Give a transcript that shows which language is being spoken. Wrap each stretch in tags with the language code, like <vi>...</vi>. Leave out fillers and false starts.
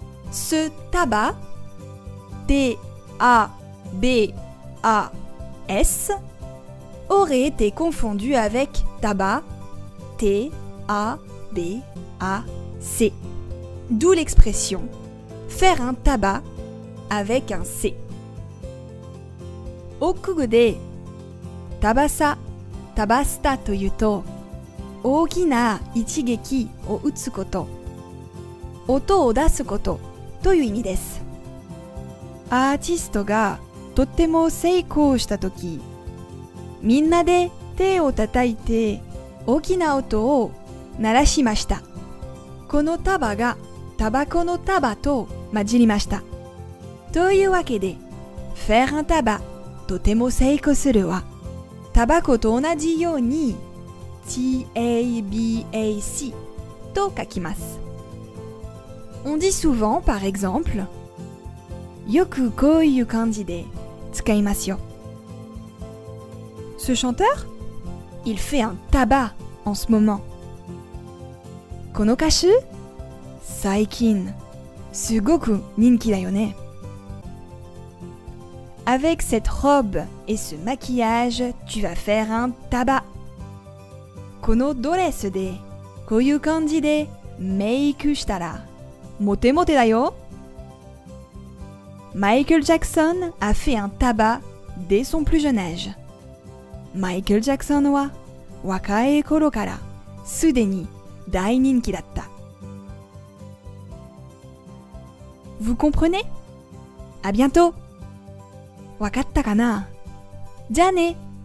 <fr>Ce tabac, T-A-B-A-S, aurait été confondu avec tabac, T-A-B-A-C. D'où l'expression « faire un tabac avec un C ».</fr> <ja>Okugo de tabasa, tabasta というと、大きな一撃を打つこと、音を出すことという意味です。アーティストがとっても成功したとき、みんなで手をたたいて大きな音を鳴らしました。この束がタバコの束と混じりました。というわけで、</ja> <fr>faire un tabac.</fr> <ja>とても成功するわ。タバコと同じように TABAC と書きます。</ja> <fr>On dit souvent, par exemple,</fr> <ja>よくこういう感じで使いますよ。</ja> <fr>Ce chanteur, il fait un tabac en ce moment.</fr> <ja>この歌手、最近、すごく人気だよね。</ja> <fr>Avec cette robe et ce maquillage, tu vas faire un tabac.</fr> <ja>このドレスで、こういう感じでメイクしたら、モテモテだよ。</ja> <fr>Michael Jackson a fait un tabac dès son plus jeune âge.</fr> <ja>Michael Jackson は、若い頃から、すでに大人気だった。</ja> <fr>Vous comprenez? À bientôt!</fr> <ja>わかったかな?じゃあね!</ja>